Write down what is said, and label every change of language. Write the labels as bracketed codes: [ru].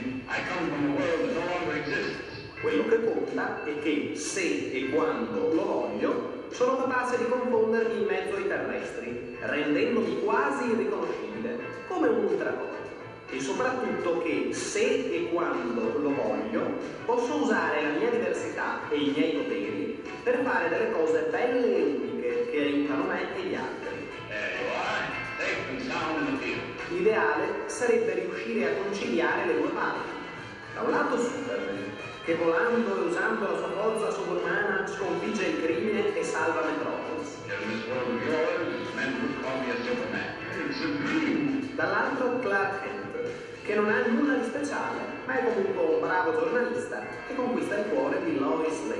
[en] I come from a world that no longer exists. [it] Quello che conta è che se e quando lo voglio, sono capace di confondermi in mezzo ai terrestri, rendendomi quasi irriconoscibile, come un ultracorpo. E soprattutto che se e quando lo voglio, posso usare la mia diversità e i miei poteri per fare delle cose belle e uniche che aiutano me e gli altri. L'ideale sarebbe riuscire a conciliare le due parti. Da un lato Superman, che volando e usando la sua forza sovrumana sconfigge il crimine e salva Metropolis. [en] Yeah, this world of yours, men would call me a Superman. [it] dall'altro Clark Kent, che non ha nulla di speciale, ma è comunque un bravo giornalista che conquista il cuore di Lois Lane.